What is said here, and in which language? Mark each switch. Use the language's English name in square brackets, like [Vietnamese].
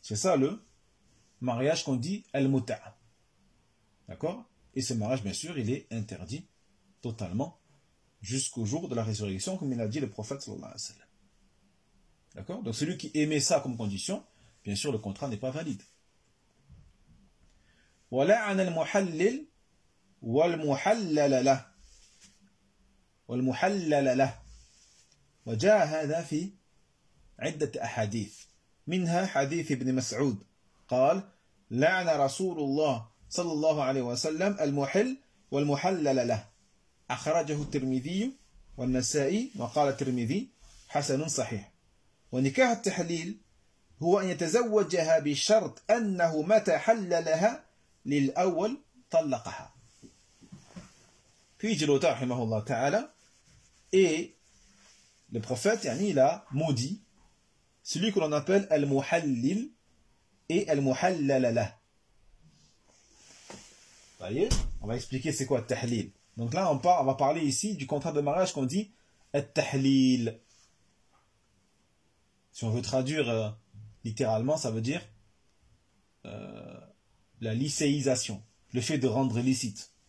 [French] C'est ça le mariage qu'on dit al-muta'. D'accord ? Et ce mariage, bien sûr, il est interdit totalement jusqu'au jour de la résurrection, comme il a dit le prophète [Arabic] sallallahu alayhi wa sallam. [French] D'accord ? Donc celui qui émet ça comme condition, bien sûr, le contrat n'est pas valide. [Arabic] وَلَعَنَ الْمُحَلِّلْ وَالْمُحَلَّلَ وَالْمُحَلَّلَ لَهُ وَجَاءَ هَذَا فِي عِدَّةِ أَحَادِيثِ مِنْهَا حَدِيثِ ابْنِ مَسْعُودِ قال لعن رسول الله صلى الله عليه وسلم المحل والمحلل له أخرجه الترمذي والنسائي وقال الترمذي حسن صحيح ونكاح التحليل هو أن يتزوجها بشرط أنه متى حللها للأول طلقها في جلوتا رحمه الله تعالى [French] le prophète يعني, il a maudit celui que l'on appelle al-muhallil et al-muhallalala. Vous voyez ? On va expliquer c'est quoi al-tahlil. Donc là, on va parler ici du contrat de mariage qu'on dit al-tahlil. Si on veut traduire littéralement, ça veut dire la licéisation, le fait de rendre licite.